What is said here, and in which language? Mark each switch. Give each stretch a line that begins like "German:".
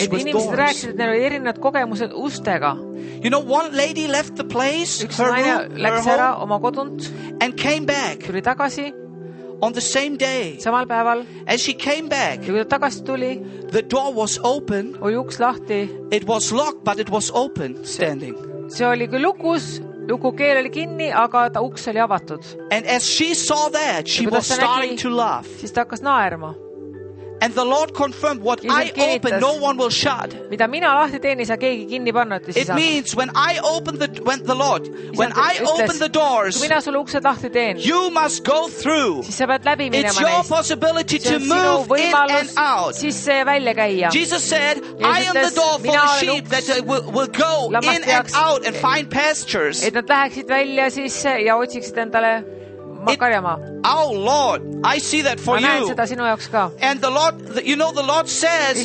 English: You know, one lady left the place, her home, and came back on the same day.
Estonian: Samal päeval,
English: as she came back,
Estonian: ja kui ta tagasi tuli,
English: the door was open.
Estonian: Oli uks lahti.
English: It was locked, but it was open standing.
Estonian: See oli küll lukus, luku keel oli kinni, aga ta uks oli avatud.
English: And as she saw that, she was starting to laugh.
Estonian: Siis ta hakkas naerma.
English: And the Lord confirmed what I open, no one will shut.
Estonian: Mida mina lahti teen, sa keegi kinni panna, et siis
English: it means when I open the when the Lord
Estonian: siis
English: when I
Estonian: ütles,
English: open the doors,
Estonian: mina sulle uksed lahti teen,
English: you must go through.
Estonian: Siis sa pead läbi minema.
English: It's your possibility to move in and out.
Estonian: Siis välja käia.
English: Jesus said, I am the door for the sheep that will go in and out and find pastures.
Estonian: Et nad läheksid välja siis ja otsiksid endale.
English: Oh Lord, I see that for you.
Estonian: Seda sinu jaoks ka.
English: And the Lord, you know, the Lord says,